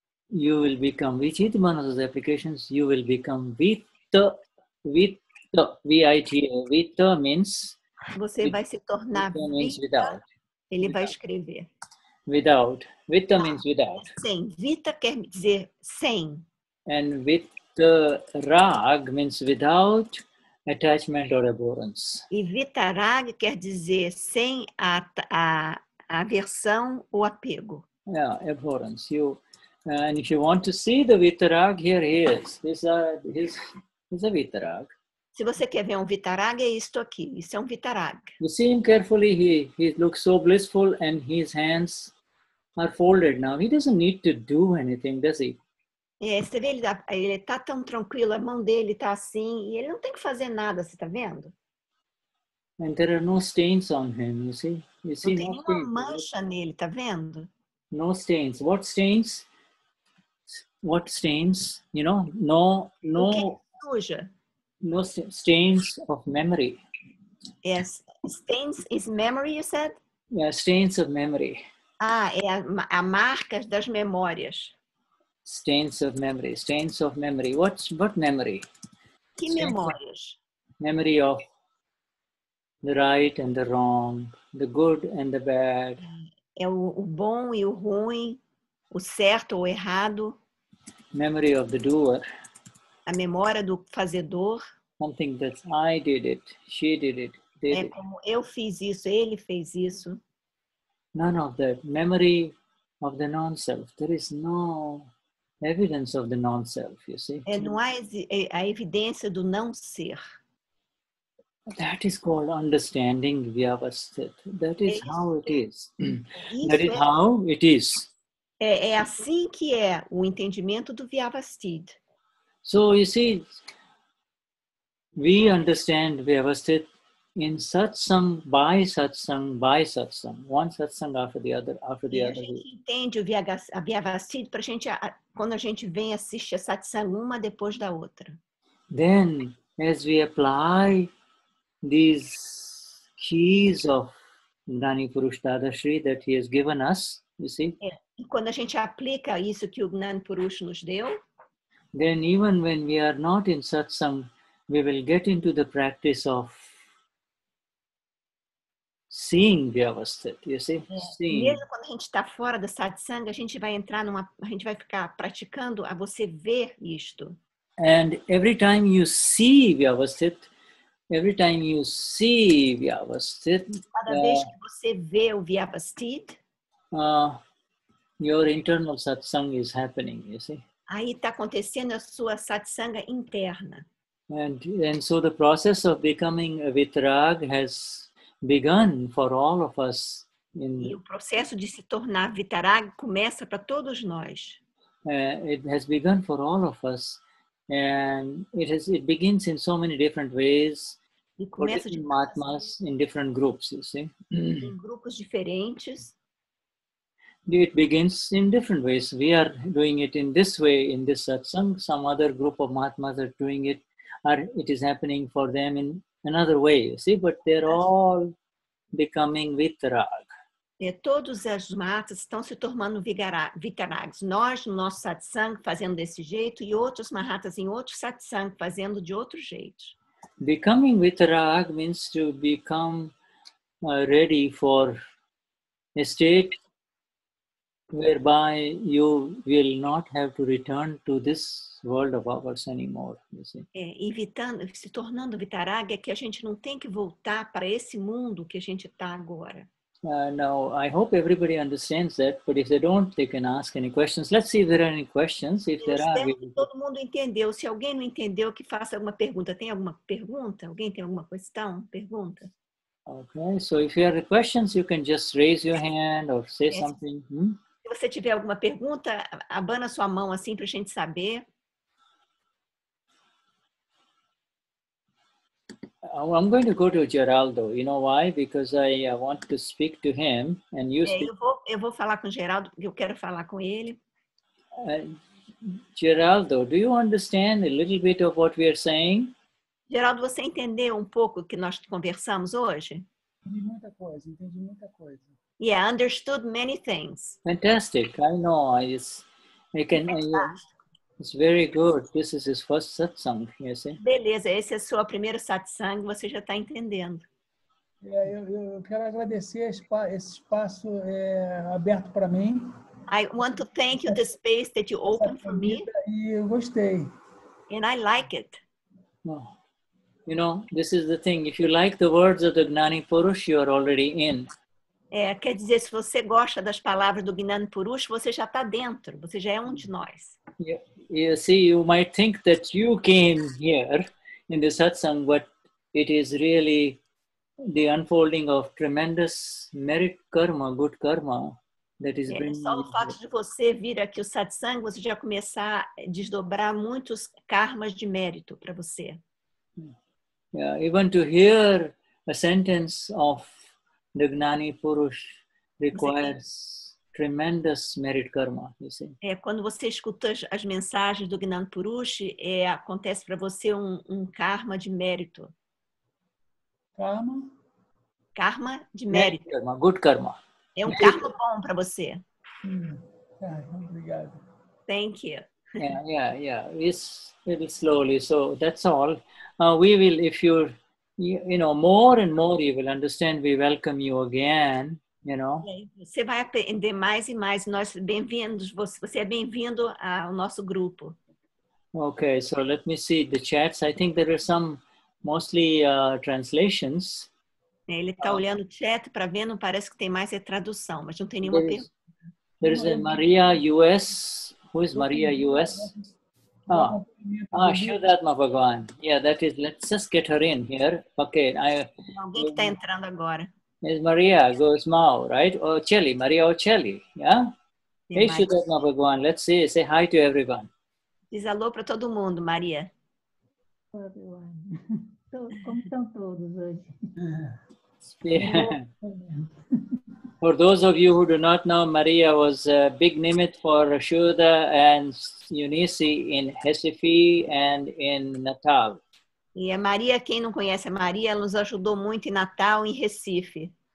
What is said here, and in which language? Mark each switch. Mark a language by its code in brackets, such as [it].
[en] you will become with each one of those applications, you will become vita means. [pt] Você vai se tornar vita. [en] Means without. [pt] Ele vai escrever. [en] Without. Vita means without. [pt] Sem. Vita quer dizer sem. [en] And vita rag means without attachment or abhorrence. [pt] E vita rag quer dizer sem a aversão ou apego. [en] Yeah, abhorrence. And if you want to see the vita rag, here he is. This is a vita rag. [pt] Se você quer ver um Vitarag, é isto aqui. Isso é um Vitarag. [en] You see him carefully, he looks so blissful and his hands are folded now. He doesn't need to do anything, does he? [pt] É, você vê, ele tá tão tranquilo, a mão dele tá assim, e ele não tem que fazer nada, você tá vendo? [en] And there are no stains on him, you see? [pt] Não tem nenhuma mancha nele, tá vendo? [en] No stains. What stains? What stains? You know, no... [pt] O que é suja? [en] No stains of memory. Yes, stains is memory, you said? Yeah, stains of memory. [pt] Ah, é a marcas das memórias. [en] Stains of memory. What memory? [pt] Que stains memórias? [en] Memory of the right and the wrong, the good and the bad. [pt] É o bom e o ruim, o certo ou errado. [en] Memory of the doer. [pt] A memória do fazedor. [en] Something that I did it, she did it, they did it. [pt] Eu fiz isso, ele fez isso. [en] none of that memory of the non-self. There is no evidence of the non-self, you see. [pt] É, não há a evidência do não-ser. [en] That is called understanding vyavasthit. That is how it is. That is how it is. [pt] É assim que é o entendimento do vyavasthit. [en] So, you see, we understand vyavasthit in satsang, by satsang, by satsang. One satsang after the other, after the other. [pt] A gente entende o vyavasthit pra gente, quando a gente vem assistir a satsang uma depois da outra. [en] Then, as we apply these keys of Gnani Purush Dadashri that he has given us, you see? [pt] E quando a gente aplica isso que o Gnani Purush nos deu, [en] then even when we are not in satsang, we will get into the practice of seeing vyavasthit, you see? Seeing. [pt] Mesmo quando a gente está fora do satsang, a gente vai entrar numa, a gente vai ficar praticando a você ver isto. [en] And every time you see vyavasthit, every time you see vyavasthit, [pt] cada vez que você vê o vyavasthit, [en] your internal satsang is happening, you see? [pt] Aí está acontecendo a sua satsanga interna. [en] And so the process of becoming a vitrag has begun for all of us. [pt] E o processo de se tornar vitrag começa para todos nós. [en] It has begun for all of us. And it begins in so many different ways. [pt] E começa [en] in mātmas, in different groups, you see. [pt] Em grupos diferentes. [en] It begins in different ways. We are doing it in this way, in this satsang. Some other group of mātmas are doing it, or it is happening for them in another way, you see. But they're all becoming vitrag. [pt] E todos os mātmas estão se tornando vitrags. Nós, no nosso satsang, fazendo desse jeito, e outros mahatas em outro satsang, fazendo de outro jeito. [en] Becoming vitrag means to become ready for a state whereby you will not have to return to this world of ours anymore, you see. [pt] É, evitando, se tornando vitarag, é que a gente não tem que voltar para esse mundo que a gente está agora. [en] Now, I hope everybody understands that, but if they don't, they can ask any questions. Let's see if there are any questions. If there are, [pt] que todo mundo entendeu. Se alguém não entendeu, que faça alguma pergunta. Tem alguma pergunta? Alguém tem alguma questão? Pergunta? [en] Okay, so if you have questions, you can just raise your hand or say something. [pt] Se você tiver alguma pergunta, abana sua mão assim para a gente saber. [en] I'm going to go to Geraldo. You know why? Because I want to speak to him and you speak. [pt] Eu vou falar com o Geraldo, eu quero falar com ele. [en] Geraldo, do you understand a little bit of what we are saying? [pt] Geraldo, você entendeu um pouco o que nós conversamos hoje? Entendi muita coisa. [en] Yeah, understood many things. Fantastic. I know. It's very good. This is his first satsang, you see? [pt] Beleza, esse é o seu primeiro satsang, você já está entendendo. Eu quero agradecer esse espaço aberto para mim. [en] I want to thank you the space that you opened for me. [pt] E eu gostei. [en] And I like it. You know, this is the thing. If you like the words of the Gnani Purush, you are already in. [pt] É, quer dizer, se você gosta das palavras do Gnani Purush, você já está dentro. Você já é um de nós. [en] You see, you might think that you came here in the satsang, but it is really the unfolding of tremendous merit karma, good karma, that is bringing. [pt] Só o fato de você vir aqui o satsang, você já começar a desdobrar muitos karmas de mérito para você. [en] Yeah, even to hear a sentence of the Gnani Purush requires tremendous merit karma, you see. [pt] É, quando você escuta as mensagens do Gnani Purush, acontece para você um karma de mérito. Karma? Karma de mérito. [en] Karma, good karma. [pt] É um karma bom para você. Obrigado. [en] Thank you. Yeah. It's a little slowly. So that's all. We will, if you're, you know, more and more you will understand, we welcome you again, you know. [pt] Você vai aprender mais e mais. Nós bem-vindos. Você é bem-vindo ao nosso grupo. [en] Okay, so let me see the chats. I think there are some mostly translations. [pt] Ele está olhando o chat para ver, não parece que tem mais tradução, mas não tem nenhuma pergunta. [en] There is a Maria U.S. Who is Maria U.S.? Oh, Shudat Mahabhagwan. Yeah, that is, let's just get her in here. Okay, [pt] Alguém que está entrando agora. [en] Is Maria Gosmau, right? Ocelli, Maria Ocelli, yeah? Hey, Shudat Mahabhagwan, let's see, say hi to everyone. [pt] Diz alô para todo mundo, Maria. [en] For those of you who do not know, Maria was a big name for Shuddha and Eunice in Recife and in Natal. [pt] E a Maria, quem não conhece a Maria, ela nos ajudou muito em Natal e em Recife.